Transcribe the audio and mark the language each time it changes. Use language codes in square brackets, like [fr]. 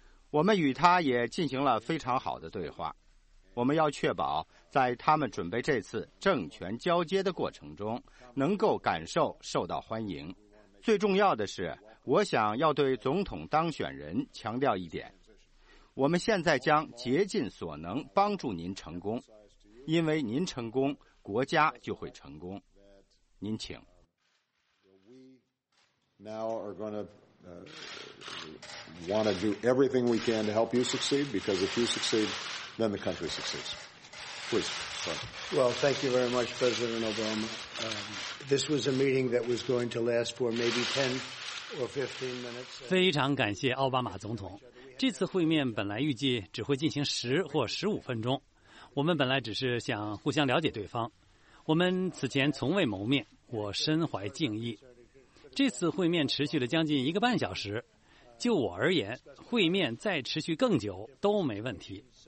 [zh] 我们与她也进行了非常好的对话。我们要确保在他们准备这次政权交接的过程中，能够感受受到欢迎。最重要的是，我想要对总统当选人强调一点，我们现在将竭尽所能帮助您成功，因为您成功，国家就会成功。您请。 [en] We now are going to want to do everything we can to help you succeed, because if you succeed, then the country succeeds. Please. Well, thank you very much, President Obama. This was a meeting that was going to last for maybe 10 [zh] 非常感谢奥巴马总统。这次会面本来预计只会进行10或15分钟。我们本来只是想互相了解对方。我们此前从未谋面，我深怀敬意。这次会面持续了将近1.5小时。就我而言，会面再持续更久都没问题。